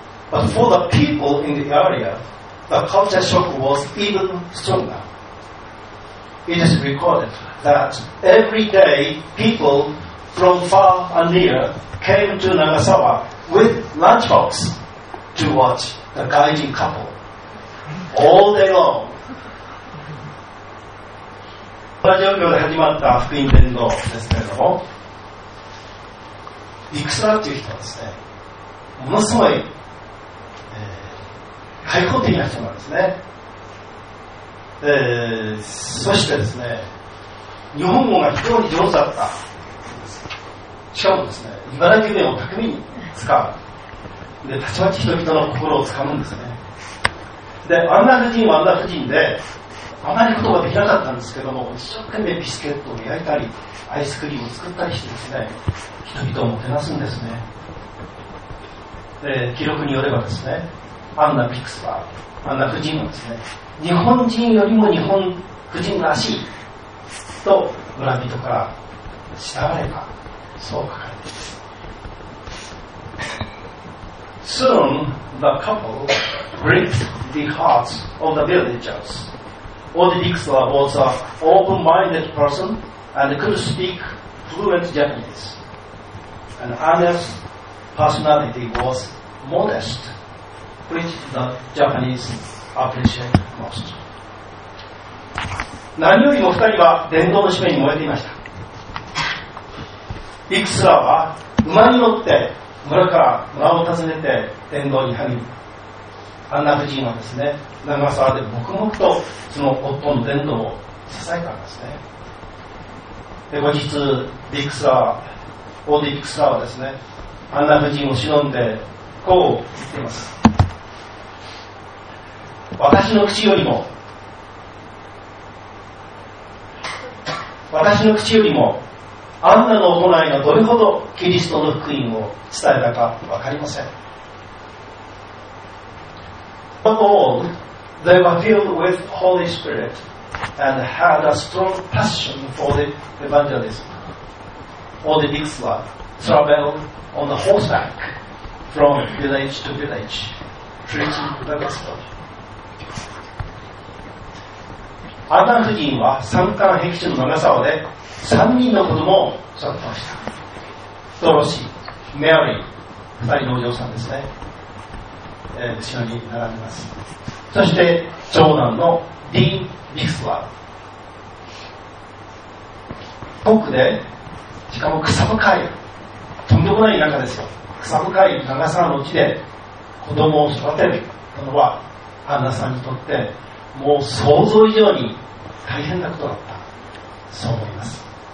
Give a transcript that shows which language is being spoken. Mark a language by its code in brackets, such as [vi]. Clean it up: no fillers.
[en] But for the people in the area, the culture shock was even stronger. It is recorded that every day people from far and near came to Nagasawa with lunchbox to watch the guiding couple. All day long。 [ja] この状況で始まった福音伝道ですけれども、ビクスラーという人はですねものすごい、開放的な人なんですね。そしてですね日本語が非常に上手だったんです。しかもですね茨城弁を巧みに使う、でたちまち人々の心をつかむんですね。でアンナ夫人はアンナ夫人であまりことができなかったんですけども、一生懸命ビスケットを焼いたり、アイスクリームを作ったりしてですね、人々をもてなすんですね。で、記録によればですね、アンナ・ピクスは、アンナ夫人はですね、日本人よりも日本夫人らしいと村人から慕われた、そう書かれています。 [en] Soon the couple gripped the hearts of the villagers. Odie Dixler was an open-minded person and could speak fluent Japanese. And Anna's personality was modest, which the Japanese appreciate most. [ja] 何よりも二人は伝道の使命に燃えていました。ディクスラーは馬に乗って村から村を訪ねて伝道に励み、アンナ夫人はですね、長沢で黙々とその夫の伝道を支えたんですね。で、後日ディクスラー、オーディ・ディクスラーはですね、アンナ夫人を偲んでこう言っています。私の口よりも私の口よりもアンナの行いがどれほどキリストの福音を伝えたか分かりません。 [en] But all, they were filled with Holy Spirit and had a strong passion for the evangelism. All the Dixler traveled on the horseback from village to village preaching the gospel. [ja] アンナ夫人は山間僻地の長沢で3人の子供を育てました。ドロシー、メアリー、2人のお嬢さんですね、後ろに並びます。そして長男のディーン・ビクスは奥で、しかも草深い、とんでもない田舎ですよ、草深い長沢の地で子供を育てるのはアンナさんにとってもう想像以上に大変なことだった、そう思います。